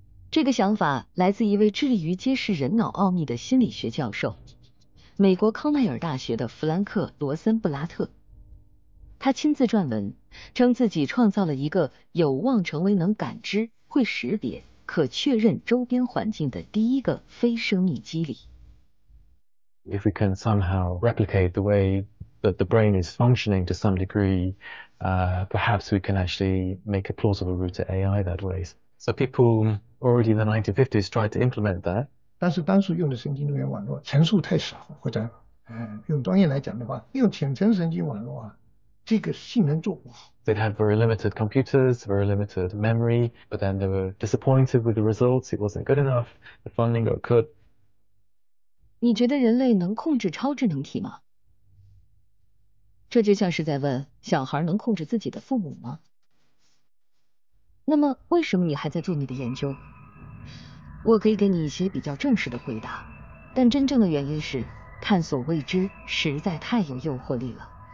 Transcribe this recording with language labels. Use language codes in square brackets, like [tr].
[zh] 这个想法来自一位致力于揭示人脑奥秘的心理学教授，美国康奈尔大学的弗兰克·罗森布拉特。他亲自撰文，称自己创造了一个有望成为能感知、会识别、可确认周边环境的第一个非生命机理。 [en] If we can somehow replicate the way. That the brain is functioning to some degree, perhaps we can actually make a plausible route to AI that way. So people already in the 1950s tried to implement that. [zh] 但是当时用的神经元网络层数太少，或者，用专业来讲的话，用浅层神经网络啊，这个性能做不好。 [en] They'd had very limited computers, very limited memory, but then they were disappointed with the results. It wasn't good enough. The funding got cut. [zh] 你觉得人类能控制超智能体吗？这就像是在问小孩能控制自己的父母吗？那么为什么你还在做你的研究？我可以给你一些比较正式的回答，但真正的原因是探索未知实在太有诱惑力了。